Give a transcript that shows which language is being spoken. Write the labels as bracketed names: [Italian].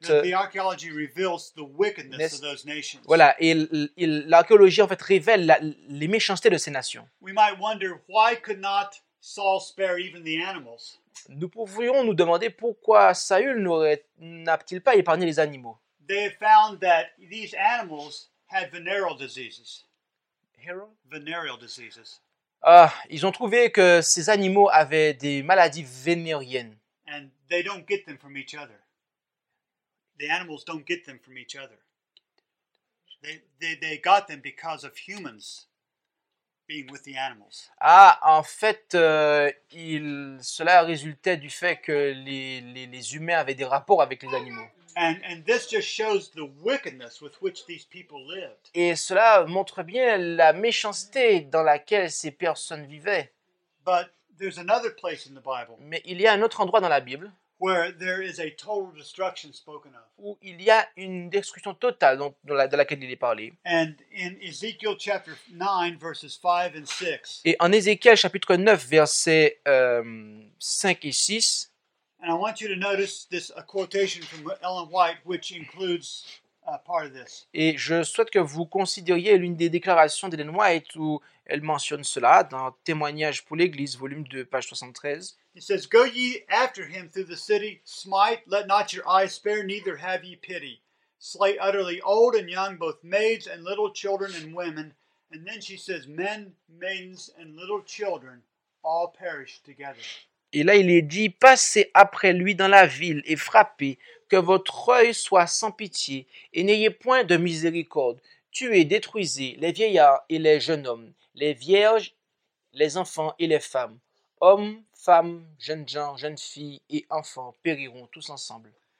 [English] the archaeology reveals the wickedness of those nations. [French] Voilà, et l'archéologie en fait révèle les méchancetés de ces nations. [English] We might wonder why could not Saul spare even the animals? [French] Nous pourrions nous demander pourquoi Saül n'a-t-il pas épargné les animaux? [English] They found that these animals had venereal diseases. Venereal diseases. [French] Ils ont trouvé que ces animaux avaient des maladies vénériennes. [English] And they don't get them from each other. The animals don't get them from each other. They got them because of humans being with the animals. [French] Ah, en fait, cela résultait du fait que les humains avaient des rapports avec les animaux. [English] And this just shows the wickedness with which these people lived. [French] Et cela montre bien la méchanceté dans laquelle ces personnes vivaient. [English] But there's another place in the Bible. [French] Mais il y a un autre endroit dans la Bible [English] where there is a total destruction spoken of. [French] Où il y a une destruction totale de laquelle il est parlé. [English] And in Ezekiel chapter 9 verses 5 and 6. [French] Et en Ézéchiel chapitre 9 versets 5 et 6. [English] And I want you to notice this a quotation from Ellen White which includes part of this. [French] Et je souhaite que vous considériez l'une des déclarations d'Ellen White où elle mentionne cela dans Témoignage pour l'Église, volume 2, page 73. [English] It says, go ye after him through the city, smite, let not your eyes spare, neither have ye pity. Slay utterly old and young, both maids and little children and women. And then she says, men, maidens and little children all perish together. [French] Et là, il est dit, passez après lui dans la ville et frappez, que votre œil soit sans pitié et n'ayez point de miséricorde. Tuez, détruisez les vieillards et les jeunes hommes, les vierges, les enfants et les femmes. hommes, femmes, jeunes gens, jeunes filles et enfants périront tous ensemble.